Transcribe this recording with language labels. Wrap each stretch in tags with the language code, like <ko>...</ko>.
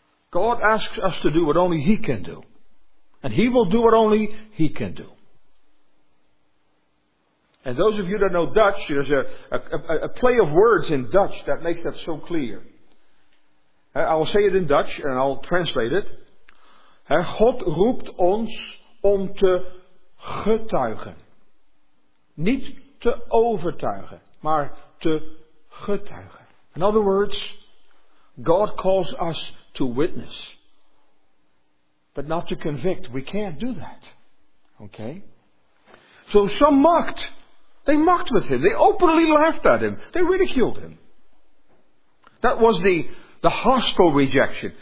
<en>God asks us to do what only He can do. And He will do what only He can do. And those of you that know Dutch, there's a play of words in Dutch that makes that so clear. I'll say it in Dutch and I'll translate it.</en> <nl>God roept ons om te getuigen. Niet te overtuigen, maar te getuigen.</nl> <en>In other words, God calls us to witness, but not to convict. We can't do that. Okay? So some mocked. They mocked with Him. They openly laughed at Him. They ridiculed Him. That was the hostile rejection.</en>